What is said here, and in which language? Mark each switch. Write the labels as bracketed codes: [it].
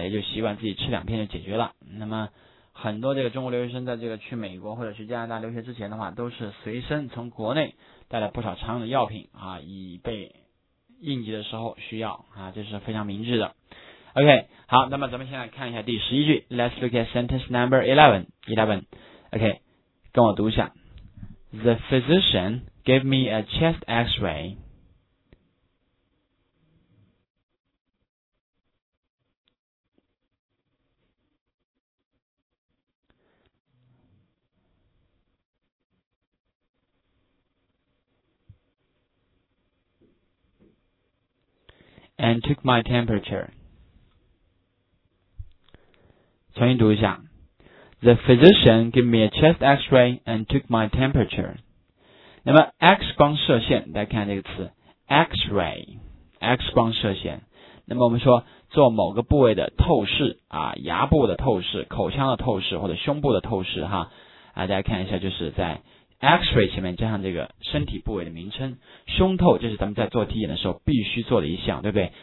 [zh] 也就习惯自己吃两片就解决了。那么很多这个中国留学生在这个去美国或者去加拿大留学之前的话，都是随身从国内带了不少常用的药品啊，以备应急的时候需要啊，这是非常明智的。 OK， 好，那么咱们现在看一下第十一句。 [en] Let's look at sentence number 11 OK， [zh] 跟我读一下。 [en] The physician gave me a chest x-ray。 And took my temperature。 [zh] 重新读一下。 [en] The physician gave me a chest x-ray and took my temperature。 [zh] 那么 X 光射线，大家看这个词 X-ray， X 光射线，那么我们说做某个部位的透视啊，牙部的透视，口腔的透视，或者胸部的透视哈啊，大家看一下，就是在X-ray 前面加上这个身体部位的名称，胸透就是咱们在做体检的时候必须做的一项，对不对？